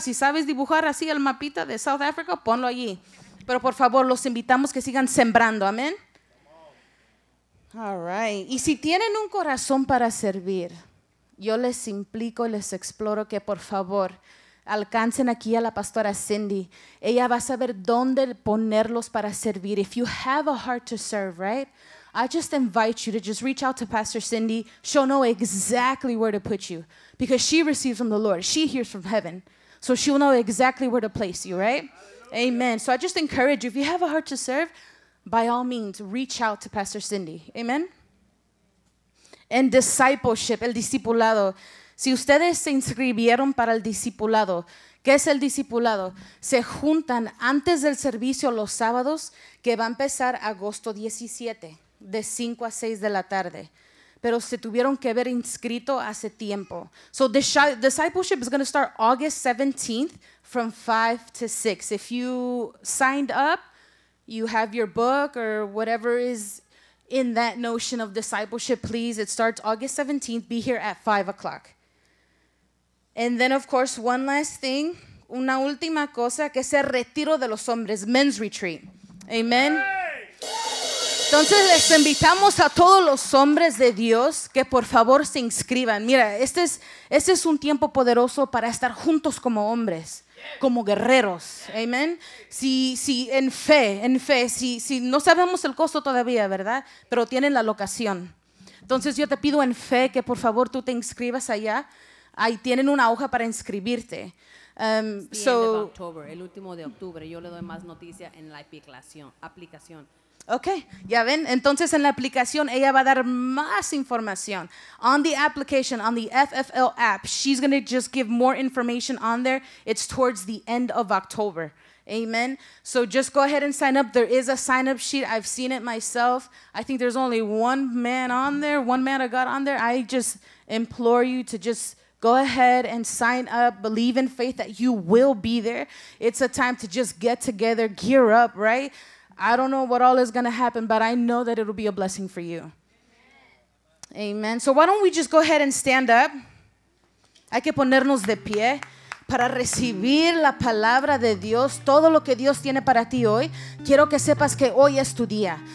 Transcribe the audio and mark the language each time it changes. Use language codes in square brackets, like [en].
[es] Si sabes dibujar así el mapita de South Africa, ponlo allí. Pero por favor, los invitamos que sigan sembrando. Amén. [en] All right. [es] Y si tienen un corazón para servir, yo les implico y les exploro que por favor alcancen aquí a la pastora Cindy. Ella va a saber dónde ponerlos para servir. [en] If you have a heart to serve, right? I just invite you to just reach out to Pastor Cindy. She'll know exactly where to put you because she receives from the Lord. She hears from heaven. So she'll know exactly where to place you, right? Hallelujah. Amen. So I just encourage you, if you have a heart to serve, by all means, reach out to Pastor Cindy. Amen. And discipleship, [es] el discipulado. Si ustedes se inscribieron para el discipulado, ¿qué es el discipulado? Se juntan antes del servicio los sábados, que va a empezar agosto 17. De 5 a 6 de la tarde, pero se tuvieron que ver inscrito hace tiempo. [en] So discipleship is going to start August 17th from 5 to 6. If you signed up, you have your book or whatever is in that notion of discipleship, please, it starts August 17th, be here at 5 o'clock. And then of course, one last thing, [es] una última cosa, que es el retiro de los hombres, [en] men's retreat. Amen. [es] Entonces, les invitamos a todos los hombres de Dios que por favor se inscriban. Mira, este es un tiempo poderoso para estar juntos como hombres, como guerreros. Amén. Si en fe, si no sabemos el costo todavía, ¿verdad? Pero tienen la locación. Entonces, yo te pido en fe que por favor tú te inscribas allá. Ahí tienen una hoja para inscribirte. El último de octubre, yo le doy más noticias en la aplicación. Okay, ya ven, entonces en la aplicación ella va a dar más información. [en] On the application, on the FFL app, she's going to just give more information on there. It's towards the end of October. Amen. So just go ahead and sign up. There is a sign-up sheet. I've seen it myself. I think there's only one man on there, one man of God on there. I just implore you to just go ahead and sign up. Believe in faith that you will be there. It's a time to just get together, gear up, right? I don't know what all is going to happen, but I know that it'll be a blessing for you. Amen. Amen. So why don't we just go ahead and stand up? [es] Hay que ponernos de pie para recibir la palabra de Dios, todo lo que Dios tiene para ti hoy. Quiero que sepas que hoy es tu día.